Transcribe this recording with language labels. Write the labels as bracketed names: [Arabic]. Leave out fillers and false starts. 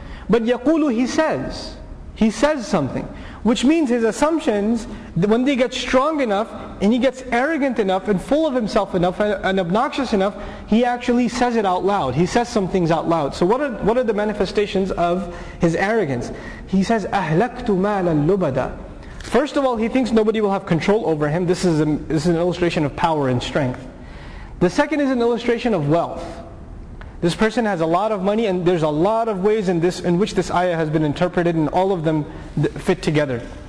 [English] But يَقُولُ, he says something. Which means his assumptions, when they get strong enough, and he gets arrogant enough, and full of himself enough, and obnoxious enough, he actually says it out loud. He says some things out loud. So what are the manifestations of his arrogance? He says, [Arabic] أَهْلَكْتُ مَالَ اللُّبَدَى. [English] First of all, he thinks nobody will have control over him. This is an illustration of power and strength. The second is an illustration of wealth. This person has a lot of money, and there's a lot of ways in which this ayah has been interpreted, and all of them fit together.